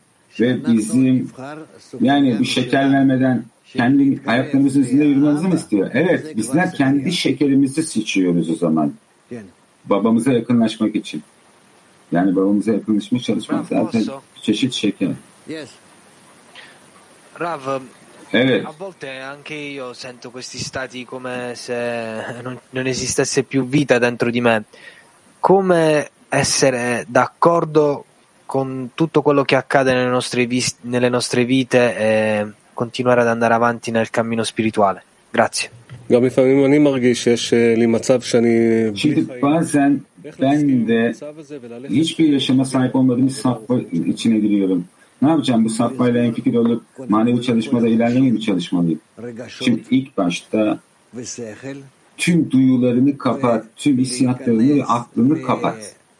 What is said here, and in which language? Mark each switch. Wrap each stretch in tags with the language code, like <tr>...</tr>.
<tr>Ve bizim yani bu şeker vermeden kendi ayaklarımızın üzerinde yürümenizi mi istiyor? Evet, bizler kendi şekerimizi seçiyoruz o zaman. Babamıza yakınlaşmak için. Yani babamıza yakınlaşmak çalışmak zaten bir çeşit şeker. Rav, evet.</tr> <it>A volte anche io sento questi stati come se non esistesse più vita dentro di me. Come essere d'accordo con tutto quello che accade nelle nostre vite e continuare ad andare avanti nel cammino spirituale. Grazie.</it> <tr>Şimdi bazen ben de hiçbir yaşama sahip olmadığım safha içine giriyorum. Ne yapacağım bu safhayla en fikir olup manevi çalışmada ilerlemeyi mi çalışmalıyım? Şimdi ilk başta tüm duyularını kapat, tüm hissiyatlarını, aklını kapat.</tr>